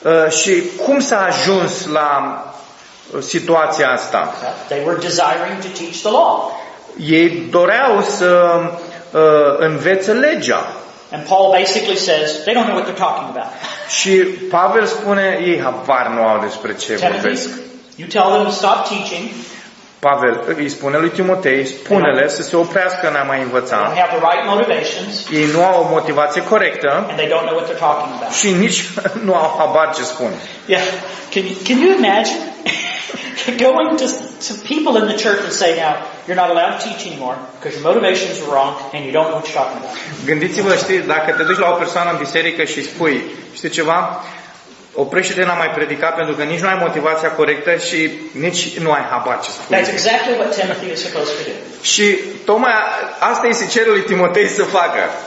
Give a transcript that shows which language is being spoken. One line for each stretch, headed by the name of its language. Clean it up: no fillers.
Romanian: Și cum s-a ajuns la situația asta?
English: They were desiring to teach the law.
Romanian: Ei doreau să învețe legea.
English: And Paul basically says they don't know what they're talking about.
Romanian: Și Pavel spune ei habar nu au despre ce vorbesc.
English: You tell them to stop teaching.
Romanian: Pavel îi spune lui Timotei, spune-le să se oprească în a mai învăța. Ei nu au o motivație corectă și nici nu au habar ce spun.
English: Yeah. Can you imagine going to people in the church and say now you're not allowed to teach anymore because your motivations were wrong and you don't know what you're talking about.
Romanian: Gândiți-vă, știi, dacă te duci la o persoană în biserică și spui, știi ceva? Oprește-te, n-am mai predicat pentru că nici nu ai motivația corectă și nici nu ai habar ce spui.
English: That's exactly what Timothy is supposed to do.
Romanian: Și tocmai asta îi se cere lui Timotei să facă.